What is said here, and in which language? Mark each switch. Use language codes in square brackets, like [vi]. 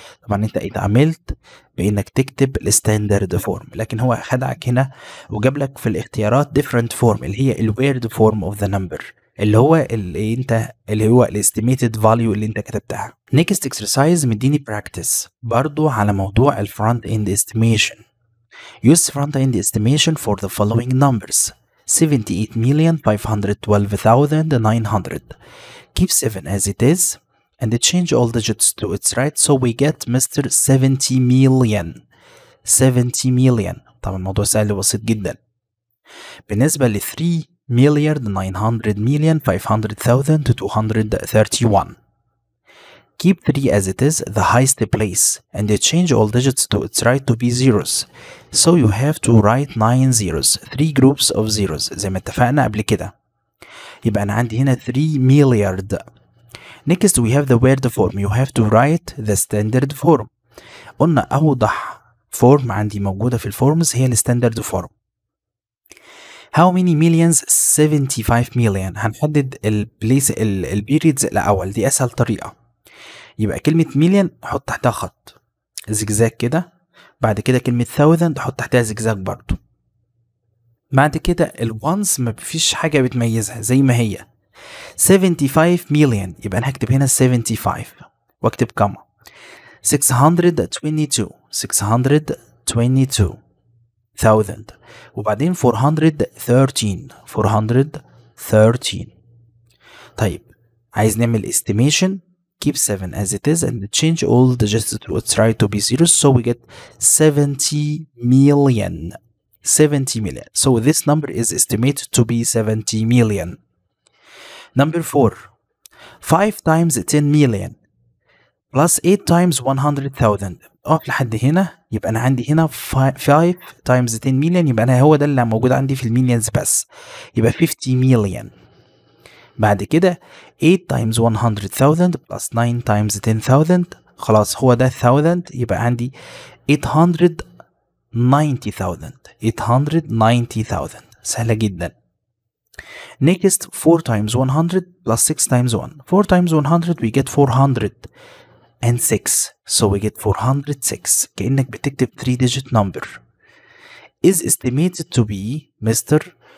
[ar] طبعا انت اتعاملت بانك تكتب الستاندرد فورم لكن هو خدعك هنا وجاب لك في الاختيارات [en] different form [ar] اللي هي ال word form of the number اللي هو اللي انت اللي هو الاستيميتد فاليو اللي انت كتبتها [en] next exercise [ar] مديني practice برضو على موضوع الفرونت اند استيميشن [en] Use front-end estimation for the following numbers. 78,512,900. Keep 7 as it is and change all digits to its right so we get Mr. 70 million. 70 million. [ar] طبعا الموضوع سهل وبسيط جدا. بالنسبة ل 3,900,500,231. [en] Keep 3 as it is, the highest place, and change all digits to its right to be zeros. So you have to write 9 zeros, 3 groups of zeros, [ar] زي ما اتفقنا قبل كده. يبقى انا عندي هنا 3 milliard. [en] Next we have the word form, you have to write the standard form. [ar] قلنا اوضح form عندي موجودة في الفورمز هي الستاندرد form. [en] How many millions? 75 million. [ar] هنحدد البيريدز الاول, دي اسهل طريقة. يبقى كلمة مليون حط تحتها خط زجزاج كده بعد كده كلمة ثاوزند حط تحتها زجزاج برضو بعد كده الوانس ما فيش حاجة بتميزها زي ما هي 75 مليون يبقى انا هكتب هنا 75 واكتب كما 622,000 وبعدين 413 طيب عايز نعمل استيميشن [en] Keep 7 as it is and change all digits to its right to be 0 so we get 70 million. 70 million. So this number is estimated to be 70 million. Number 4. 5 times 10 million plus 8 times 100,000. [ar] لحد هنا يبقى انا عندي هنا [en] 5 times 10 million [ar] يبقى انا هو ده اللي موجود عندي في الميليونز بس. يبقى 50 million. بعد كده [en] 8 times 100,000 plus 9 times 10,000 [ar] خلاص هو ده [en] 1,000 [ar] يبقى عندي [en] 890,000 [ar] سهلة جدا [en] next 4 times 100 plus 6 times 1 4 times 100 we get 406 so we get 406 [ar] كأنك بتكتب [en] 3 digit number is estimated to be Mr.